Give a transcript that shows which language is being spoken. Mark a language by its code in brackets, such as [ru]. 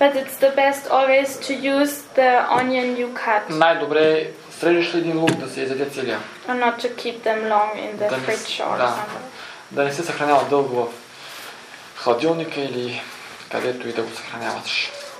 [en] But it's the best always to use the onion you cut. [bg] Най-добре срежеш ли един лук да се изяде целия. [en] And not to keep them long in the fridge or something. [bg] Да не се съхранява дълго в хладилника или където и да го съхраняваш.